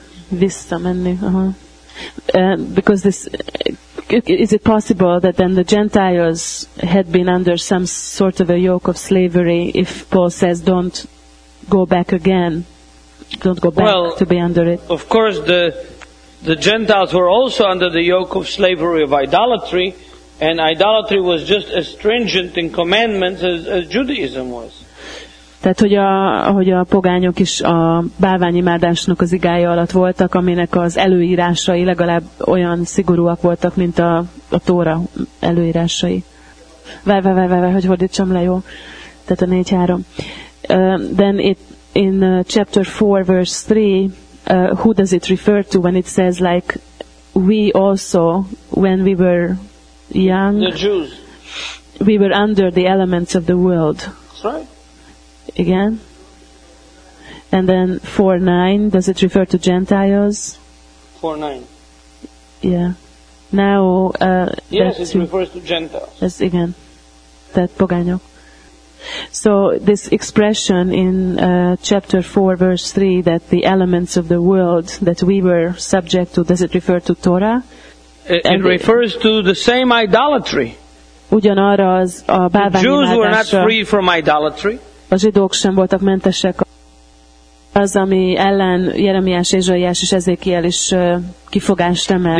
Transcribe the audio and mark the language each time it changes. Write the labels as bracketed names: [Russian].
[Hungarian] Visszamenni, [English] uh-huh. Because this, is it possible that then the Gentiles had been under some sort of a yoke of slavery if Paul says don't go back again, don't go back well, to be under it? Of course, the Gentiles were also under the yoke of slavery of idolatry, and idolatry was just as stringent in commandments as Judaism was. [Hungarian] Tehát, hogy a pogányok is a bálványimádásnak az igája alatt voltak, aminek az előírásai legalább olyan szigorúak voltak, mint a Tóra előírásai. Várj, hogy hordítsam le, jó? Tehát a 4-3. [English] Then it, in chapter 4, verse 3, who does it refer to when it says like, we also, when we were young, the Jews, we were under the elements of the world. That's right. Again, and then 4:9. Does it refer to Gentiles? 4:9. Yeah. Now. Yes, it refers to Gentiles. Yes, again, that pogányok. So this expression in chapter 4, verse 3, that the elements of the world that we were subject to, does it refer to Torah? It refers to the same idolatry. [Hungarian] Ugyanarra az a bálványimádásra. [English] Jews were not free from idolatry. [Hungarian] A zsidók sem voltak mentesek. Az, ami ellen Jeremiás, Ézsaiás és Ezékiel is kifogást emel.